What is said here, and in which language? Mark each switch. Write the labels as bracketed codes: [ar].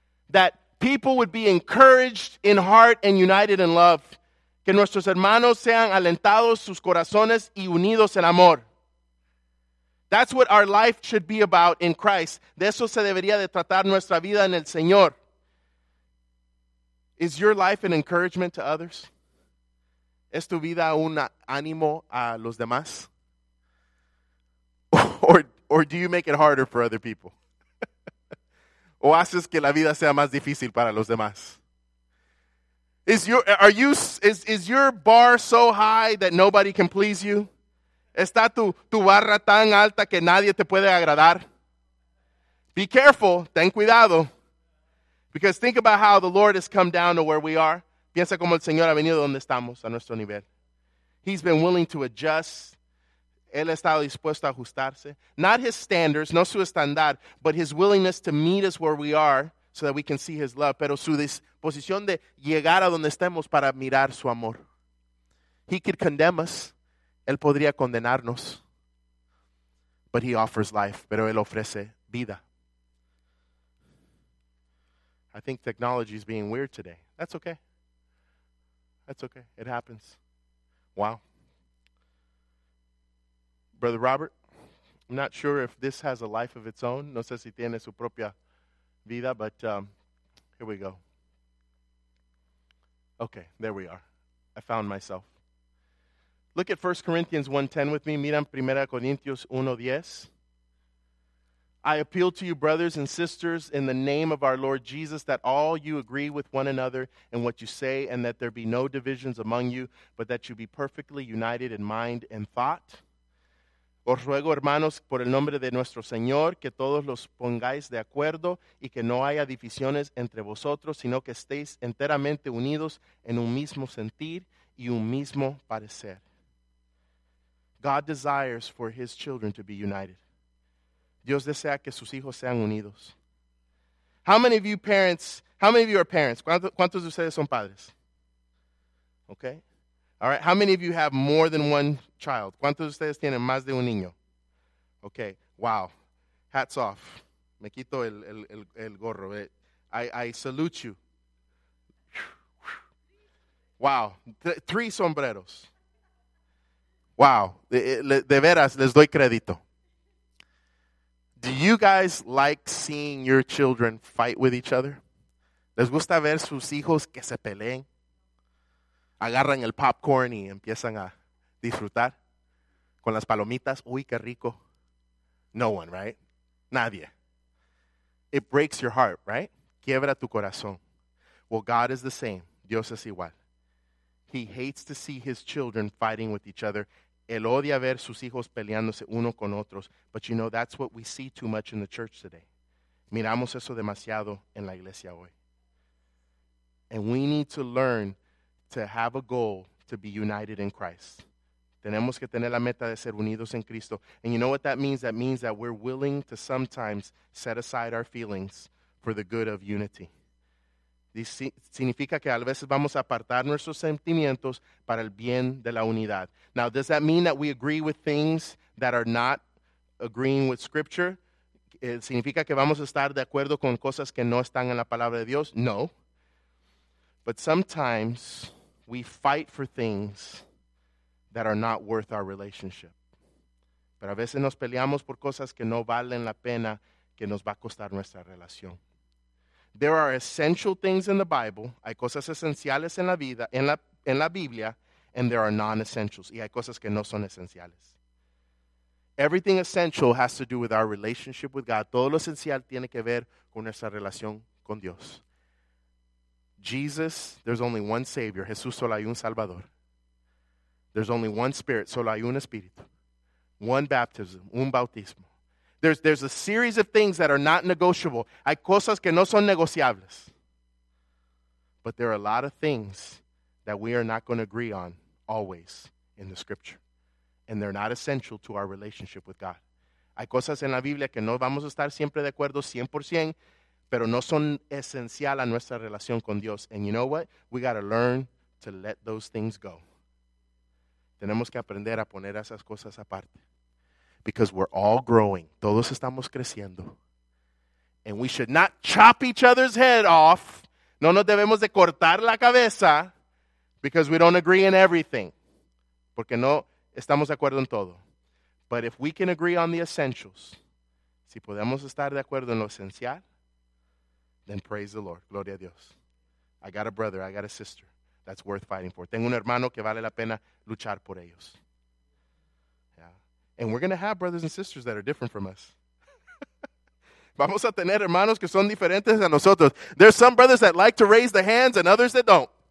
[en] That people would be encouraged in heart and united in love. [es] Que nuestros hermanos sean alentados sus corazones y unidos en amor. [en] That's what our life should be about in Christ. [es] De eso se debería de tratar nuestra vida en el Señor. [en] Is your life an encouragement to others? [es] ¿Es tu vida un ánimo a los demás? [en] Or do you make it harder for other people? [es] ¿O haces que la vida sea más difícil para los demás? [en] Is your bar so high that nobody can please you? [es] ¿Está tu barra tan alta que nadie te puede agradar? [en] Be careful, [es] ten cuidado. [en] Because think about how the Lord has come down to where we are. [es] Piensa como el Señor ha venido donde estamos, a nuestro nivel. [en] He's been willing to adjust. [es] Él ha estado dispuesto a ajustarse. [en] Not his standards, [es] no su estándar, [en] but his willingness to meet us where we are so that we can see his love. [es] Pero su disposición de llegar a donde estemos para mirar su amor. [en] He could condemn us. [es] Él podría condenarnos. [en] But he offers life. [es] Pero él ofrece vida. [en] I think technology is being weird today. That's okay. That's okay. It happens. Wow. Brother Robert, I'm not sure if this has a life of its own. [es] No sé si tiene su propia vida, [en] but here we go. Okay, there we are. I found myself. Look at 1 Corinthians 1:10 with me. [es] Miran 1 Corintios 1:10. [en] I appeal to you, brothers and sisters, in the name of our Lord Jesus, that all you agree with one another in what you say, and that there be no divisions among you, but that you be perfectly united in mind and thought. [es] Os ruego, hermanos, por el nombre de nuestro Señor, que todos los pongáis de acuerdo y que no haya divisiones entre vosotros, sino que estéis enteramente unidos en un mismo sentir y un mismo parecer. [en] God desires for his children to be united. [es] Dios desea que sus hijos sean unidos. [en] How many of you parents, how many of you are parents? [es] ¿Cuántos de ustedes son padres? [en] Okay. All right. How many of you have more than one child? [es] ¿Cuántos de ustedes tienen más de un niño? [en] Okay. Wow. Hats off. [es] Me quito el gorro. [en] I salute you. Wow. Three sombreros. Wow. [es] De veras, les doy crédito. [en] Do you guys like seeing your children fight with each other? [es] ¿Les gusta ver sus hijos que se peleen? Agarran el popcorn y empiezan a disfrutar con las palomitas. Uy, qué rico. [en] No one, right? [es] Nadie. [en] It breaks your heart, right? [es] Quiebra tu corazón. [en] Well, God is the same. [es] Dios es igual. [en] He hates to see his children fighting with each other. [es] Él odia ver sus hijos peleándose uno con otros. [en] But you know, that's what we see too much in the church today. [es] Miramos eso demasiado en la iglesia hoy. [en] And we need to learn to have a goal to be united in Christ. [es] Tenemos que tener la meta de ser unidos en Cristo. [en] And you know what that means? That means that we're willing to sometimes set aside our feelings for the good of unity. [es] Significa que a veces vamos a apartar nuestros sentimientos para el bien de la unidad. [en] Now, does that mean that we agree with things that are not agreeing with Scripture? [es] ¿Significa que vamos a estar de acuerdo con cosas que no están en la palabra de Dios? No. [en] But sometimes we fight for things that are not worth our relationship. [es] Pero a veces nos peleamos por cosas que no valen la pena, que nos va a costar nuestra relación. [en] There are essential things in the Bible. [es] Hay cosas esenciales en la vida, en la Biblia, [en] and there are non-essentials. [es] Y hay cosas que no son esenciales. [en] Everything essential has to do with our relationship with God. [es] Todo lo esencial tiene que ver con nuestra relación con Dios. [en] Jesus, there's only one Savior. [es] Jesús, solo hay un Salvador. [en] There's only one Spirit. [es] Solo hay un Espíritu. [en] One baptism, [es] un bautismo. [en] There's a series of things that are not negotiable. [es] Hay cosas que no son negociables. [en] But there are a lot of things that we are not going to agree on always in the Scripture. And they're not essential to our relationship with God. [es] Hay cosas en la Biblia que no vamos a estar siempre de acuerdo 100%, pero no son esencial a nuestra relación con Dios. [en] And you know what? We got to learn to let those things go. [es] Tenemos que aprender a poner esas cosas aparte. [en] Because we're all growing. [es] Todos estamos creciendo. [en] And we should not chop each other's head off. [es] No nos debemos de cortar la cabeza. [en] Because we don't agree in everything. [es] Porque no estamos de acuerdo en todo. [en] But if we can agree on the essentials. [es] Si podemos estar de acuerdo en lo esencial. [en] Then praise the Lord. [es] Gloria a Dios. [en] I got a brother, I got a sister that's worth fighting for. [es] Tengo un hermano que vale la pena luchar por ellos. [en] Yeah. And we're going to have brothers and sisters that are different from us. [es] Vamos a tener hermanos que son diferentes a nosotros. [en] There's some brothers that like to raise the hands and others that don't.